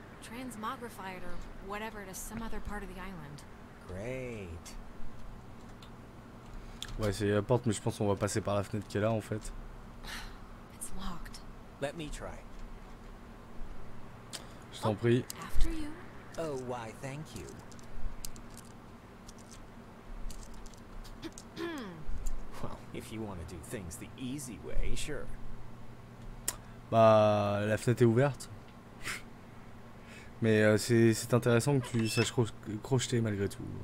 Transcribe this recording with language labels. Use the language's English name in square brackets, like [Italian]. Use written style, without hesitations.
[English] Transmogrified or whatever to some other part of the island. Great. [French] Ouais, c'est la porte, mais je pense qu'on va passer par la fenêtre qui est là, en fait. [English] It's locked. Let me try. [French] Je t'en prie. [English] After you. Oh, why, thank you. Well, if you want to do things the easy way, sure. [French] Bah, la fenêtre est ouverte. Mais c'est intéressant que tu saches crocheter malgré tout.